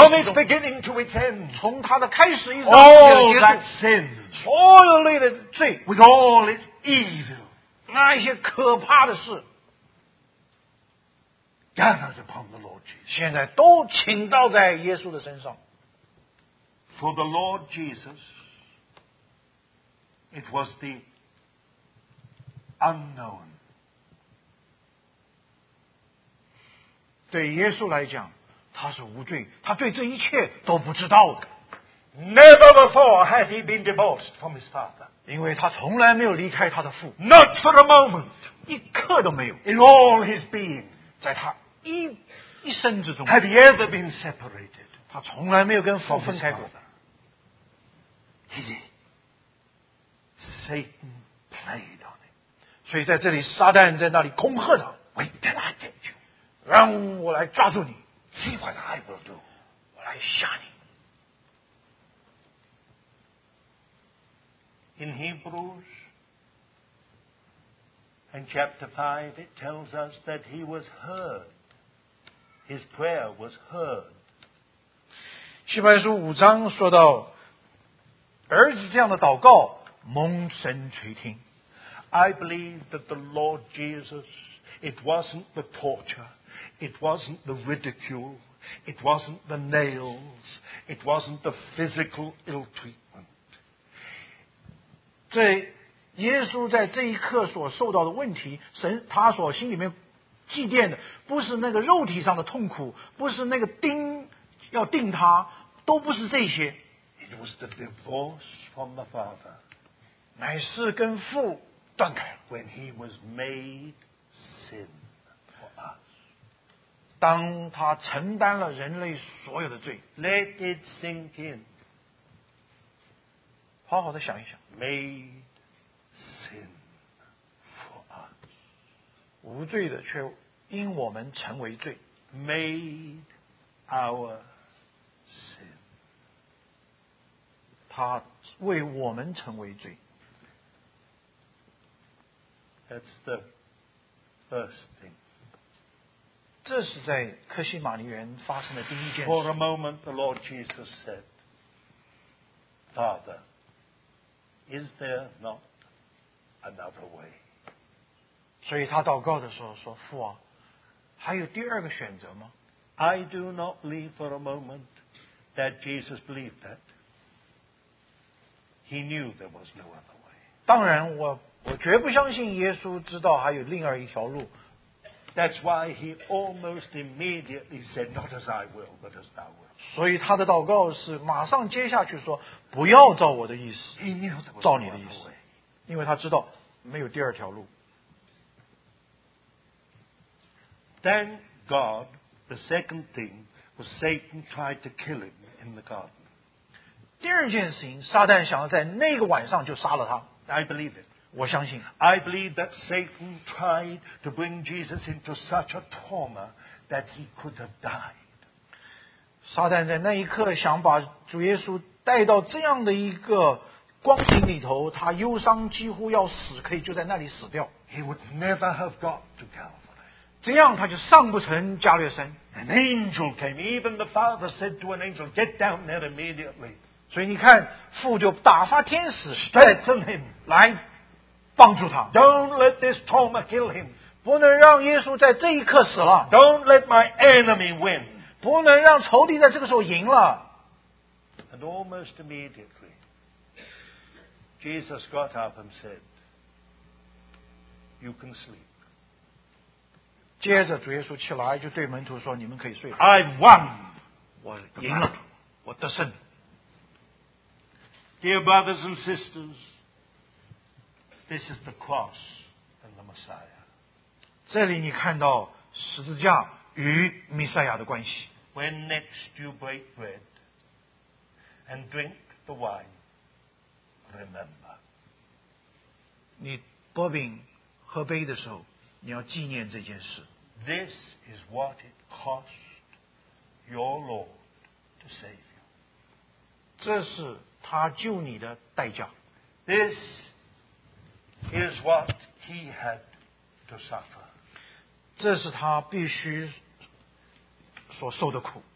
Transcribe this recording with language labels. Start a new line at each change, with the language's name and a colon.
English: from its beginning to its end,
Chinese: 从它的开始一直
English: all that sin,
Chinese: 所有类的罪
English: with all its evil,
Chinese: 那些可怕的事
English: gathered upon the Lord Jesus,
Chinese: 现在都倾倒在耶稣的身上。
English: For the Lord Jesus, it was the unknown.
Chinese: 对耶稣来讲，他是无罪，他对这一切都不知道的。
English: Never before had he been divorced from his father.
Chinese: 因为他从来没有离开他的父。
English: Not for a moment.
Chinese: 一刻都没有。
English: In all his being.
Chinese: 在他一生之中。
English: Had he ever been separated?
Chinese: 他从来没有跟父分开过。
English: Satan played on him.
Chinese: 所以在这里，撒旦在那里恐吓他。
English: Wait till I get you.
Chinese: 让我来抓住你。
English: See what I will do.
Chinese: 我来吓你。
English: In Hebrews, in chapter 5, it tells us that he was heard. His prayer was heard.
Chinese: 希伯来书五章说到儿子这样的祷告蒙神垂听。
English: I believe that the Lord Jesus, it wasn't the torture, it wasn't the ridicule, it wasn't the nails, it wasn't the physical ill treatment.
Chinese: 这耶稣在这一刻所受到的问题，神他所心里面祭奠的，不是那个肉体上的痛苦，不是那个钉要钉他，都不是这些。
English: It was the divorce from the Father.
Chinese: 乃是跟父断开。
English: When he was made sin for us.
Chinese: 当他承担了人类所有的罪
English: Let it sink in
Chinese: 好好的想一想
English: Made sin for us
Chinese: 无罪的却因我们成为罪
English: Made our sin
Chinese: 他为我们成为罪
English: That's the first thing
Chinese: 这是在克西马尼园发生的第一件事。
English: For a moment, the Lord Jesus said, Father, is there not another way?
Chinese: 所以他祷告的时候说，父啊，还有第二个选择吗？
English: I do not believe for a moment that Jesus believed that. He knew there was no other way.
Chinese: 当然我绝不相信耶稣知道还有另外一条路。
English: That's why he almost immediately said, "Not as I will, but as Thou will."
Chinese: 所以他的祷告是马上接下去说，不要照我的意思，
English: he knew there was
Chinese: 照你的意思，因为他知道没有第二条路。
English: Thank God, the second thing was Satan tried to kill him in the garden.
Chinese: 第二件事情，撒旦想要在那个晚上就杀了他。
English: I believe it.
Chinese: 我相信
English: I believe that Satan tried to bring Jesus into such a trauma that he could have died.
Chinese: 撒旦在那一刻想把主耶稣带到这样的一个光景里头，他忧伤几乎要死，可以就在那里死掉。
English: He would never have got to Calvary.
Chinese: 这样他就上不成加略山。
English: An angel came. Even the Father said to an angel, "Get down there immediately."
Chinese: 所以你看，父就打发天使
English: strengthen him
Chinese: 来。帮助他
English: Don't let this trauma kill him.
Chinese: 不能让耶稣在这一刻死了
English: Don't let my enemy win.
Chinese: 不能让仇敌在这个时候赢了
English: And almost immediately, Jesus got up and said, "You can sleep."
Chinese: 接着主耶稣起来就对门徒说：“你们可以睡。”
English: I've won.
Chinese: 我赢了，我得胜。
English: Dear brothers and sisters. This is the cross and the Messiah.
Chinese: 这里你看到十字架与弥赛亚的关系。
English: When next you break bread and drink the wine, remember.
Chinese: 你喝饼喝杯的时候，你要纪念这件事。
English: This is what it cost your Lord to save you.
Chinese: 这是他救你的代价。
English: This. Is what he had to suffer.
Chinese: 这是他必须所受的苦。